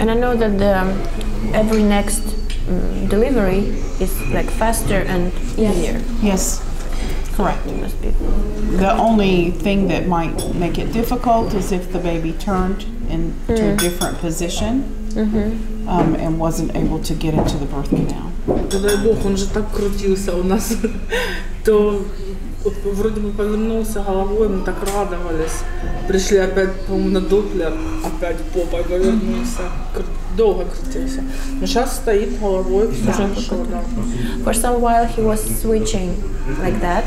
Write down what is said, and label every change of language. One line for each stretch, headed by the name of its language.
English: And I know that the every next delivery is like faster and easier. Yes. Correct. It must be. The only thing that might make it difficult is if the baby turned into a different position. Mm-hmm. And wasn't able to get into the birth canal.
Ukrainian: Дай Бог, він же так крутився у нас, то вроде би повернувся головою, ми так радувались. Прийшли опять, по-моєму, на доплер, опять попа повернувся. Довго крутився. Ну зараз стоїть головою, все ж крутно.
English: For some while he was switching like that.